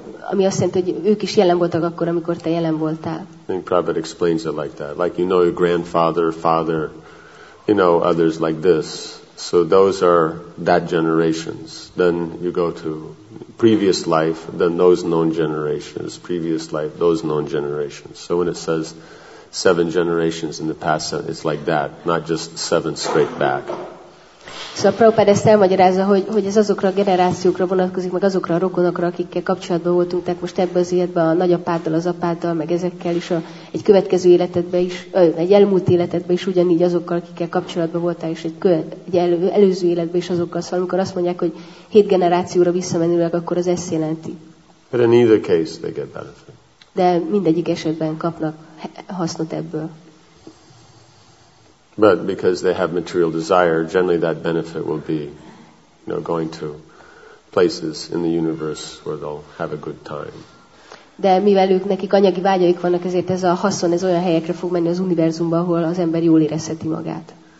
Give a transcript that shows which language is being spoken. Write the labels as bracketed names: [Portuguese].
[Hungarian] Ami azt jelenti, hogy ők is jelen voltak akkor, amikor te jelen voltál. [English] I think Prabhupada explains it like that. Like, you know, your grandfather, father, you know, others like this. So those are that generations. Then you go to previous life, then those known generations. Previous life, those known generations. So when it says seven generations in the past, it's like that. Not just seven straight back. [Hungarian] Szóval Prabhupád ezt elmagyarázza, hogy ez azokra a generációkra vonatkozik, meg azokra a rokonokra, akikkel kapcsolatban voltunk, tehát most ebben az életben a nagyapáddal, az apáddal, meg ezekkel is, egy következő életedben is, egy elmúlt életedben is ugyanígy azokkal, akikkel kapcsolatban voltál, és egy előző életben is azokkal. Szóval amikor azt mondják, hogy 7 generációra visszamenőleg, akkor az ezt jelenti. [English] But in either case they get benefit. [Hungarian] De mindegyik esetben kapnak hasznot ebből. [English] But because they have material desire, generally that benefit will be, you know, going to places in the universe where they'll have a good time. [Hungarian] De mivel ők nekik anyagi vágyaik vannak, ezért ez a haszon ez olyan helyekre fog menni az univerzumban, ahol az ember jól érezheti magát.